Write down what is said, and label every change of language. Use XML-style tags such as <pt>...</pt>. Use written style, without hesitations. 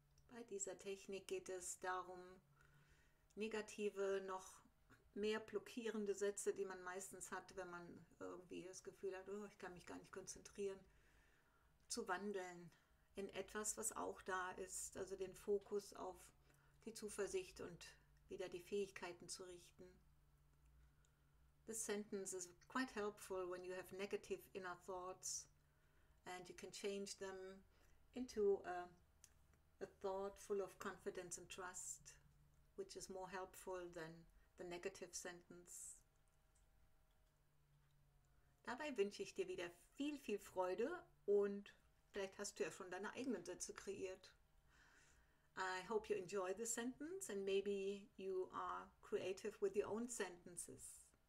<de>Bei dieser Technik geht es darum, negative, noch mehr blockierende Sätze, die man meistens hat, wenn man irgendwie das Gefühl hat, oh, ich kann mich gar nicht konzentrieren, zu wandeln in etwas, was auch da ist, also den Fokus auf die Zuversicht und wieder die Fähigkeiten zu richten.</de> <en>This sentence is quite helpful when you have negative inner thoughts and you can change them into a thought full of confidence and trust, which is more helpful than the negative sentence.</en> <de>Dabei wünsche ich dir wieder viel, viel Freude und vielleicht hast du ja schon deine eigenen Sätze kreiert.</de> <en>I hope you enjoy the sentence and maybe you are creative with your own sentences.</en>